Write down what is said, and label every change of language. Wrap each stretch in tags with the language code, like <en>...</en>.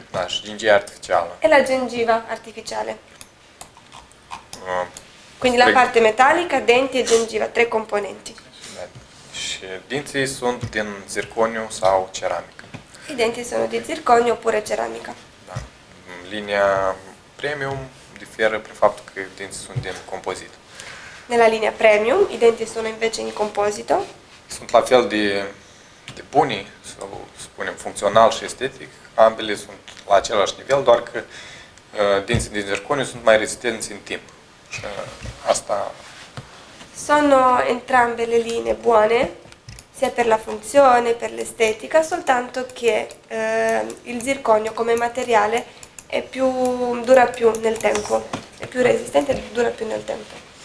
<ro>Da, și gingiva artificială.</ro> <it>E la gengiva artificiale. Quindi la parte metallica, denti e gengiva, tre componenti.</it> <ro>Da. Și dinții sunt din zirconiu sau ceramică.</ro> <it>I denti sono di zirconio oppure ceramica.</it> <ro>Da. Linia premium diferă prin faptul că dinții sunt din compozit.</ro> <it>Nella linea premium i denti sono invece in composito.</it> <ro>Sunt la fel de buni, să spunem, funcțional și estetic. Ambele sunt la același nivel, doar că dinții din zirconiu sunt mai rezistenți în timp. Asta...</ro> <it>Sono entrambe le linee buone, sia per la funzione, per l'estetica, soltanto che il zirconio come materiale è più, dura più nel tempo, è più resistente e dura più nel tempo.</it>